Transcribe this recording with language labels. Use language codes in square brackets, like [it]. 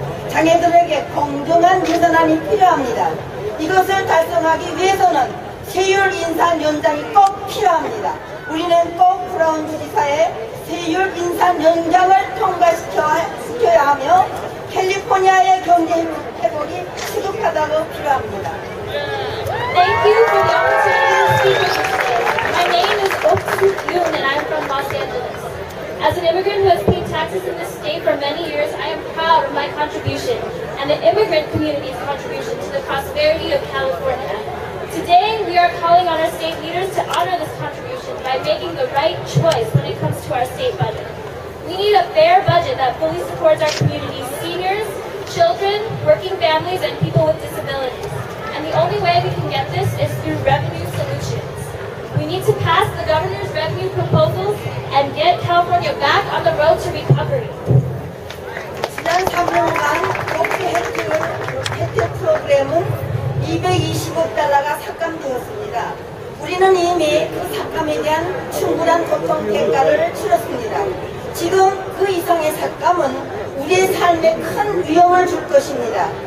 [ko] 장애들에게 공정한 예산안이 필요합니다. 이것을 달성하기 위해서는 세율 인상 연장이 꼭 필요합니다. 우리는 꼭 브라운 주지사의 세율 인상 연장을 통과시켜야 하며 캘리포니아의 경제 회복이 시급하다고 필요합니다. [en] Thank you for the opportunity to speak with you. My name is Hope Soup Yoon and I'm from Los Angeles. As an immigrant who has paid taxes in this state for many years, I am proud of my contribution and the immigrant community's contribution to the prosperity of California. Today, we are calling on our state leaders to honor this contribution by making the right choice when it comes to our state budget. We need a fair budget that fully supports our community's seniors, children, working families, and people with disabilities. And the only way we can get this is through revenue solutions. We need to pass the governor's revenue proposals and get California back on the road to recovery. [ko] 지난 3년간 복지 혜택 프로그램은 220억 달러가 삭감되었습니다. 우리는 이미 그 삭감에 대한 충분한 고통 대가를 치렀습니다. 지금 그 이상의 삭감은 우리의 삶에 큰 위험을 줄 것입니다.